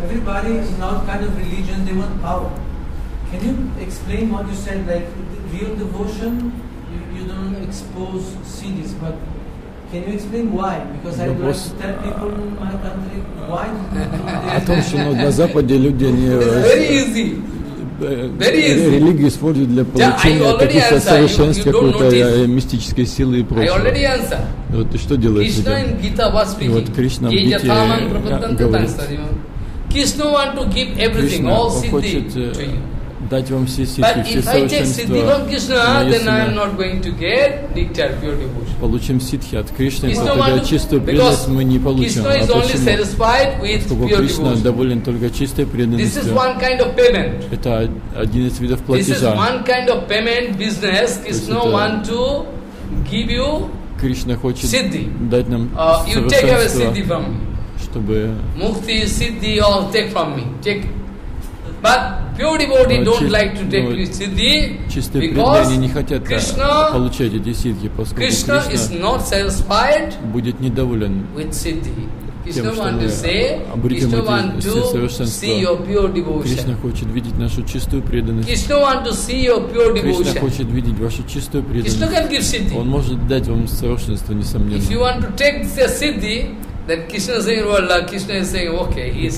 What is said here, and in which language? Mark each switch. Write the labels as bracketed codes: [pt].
[en] everybody is in our kind of religion, they want power. Can you explain what you said, like real devotion, you don't expose cities, but can you explain why? Because I don't like to tell people in my country why. [ru] О том, что на Западе люди не... [en] Very easy. [ru] Религию используют для получения каких-то совершенств, какой-то мистической силы и прочего. Вот что делаешь? Кришна в Гите говорил. Вот Кришна в Гите говорит. [en] Кришна want to give everything, all siddhi to you. [ru] Дать вам все сиддхи, все совершенства. [en] But if I take siddhi from Кришна, then I am not going to get nectar, pure devotion. [ru] Получим сиддхи от Кришны, то тогда чистую преданность мы не получим. Кришна Кришна доволен только чистой преданностью. [en] This is one kind of payment. [ru] Это один из видов платежа. [en] This is one kind of payment business. Кришна want to give you siddhi. [ru] Кришна хочет [en] siddhi. [ru] Дать нам [en] you [ru] совершенство. [en] You take away siddhi from me. [ru] Чтобы... [en] Мухти, сиддхи, all take from me. Take. But pure devotee don't like to take сиддхи. [ru] Чистые преданные не хотят получать эти сиддхи, поскольку [en] Кришна is not satisfied [ru] будет недоволен [en] with сиддхи. Кришна want to see your pure devotion. [ru] Кришна хочет видеть нашу чистую преданность. [en] Кришна want to see your pure devotion. [ru] Кришна хочет видеть вашу чистую преданность. [en] Кришна can give сиддхи. [ru] Он может дать вам совершенство, несомненно. [en] If you want to take the сиддхи, then Krishna is saying, well, Krishna is saying, okay, he is